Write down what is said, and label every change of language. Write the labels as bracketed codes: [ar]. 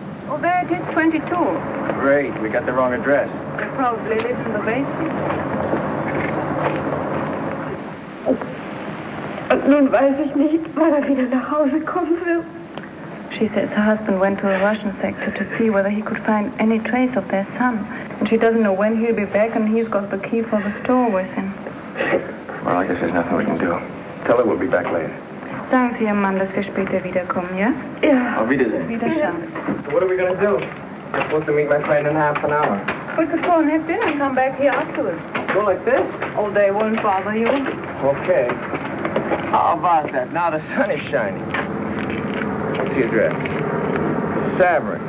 [en] Oh, there it is, 22. Great, we got the wrong address. They probably live in the basement. [de] Und nun weiß ich nicht, wann er wieder nach Hause kommen will. [en] She says her husband went to the Russian sector to see whether he could find any trace of their son. And she doesn't know when he'll be back, and he's got the key for the store with him. Well, I guess there's nothing we can do. Tell her we'll be back later. [de] Sagen Sie Ihrem Mann, dass wir später wiederkommen, ja? Ja. Auf Wiedersehen. Wiedersehen. [en] So what are we going to do? We're supposed to meet my friend in half an hour. We could go and have dinner and come back here afterwards. Go like this? All day won't bother you. Okay. How about that? Now the sun is shining. What's the address? Saverin.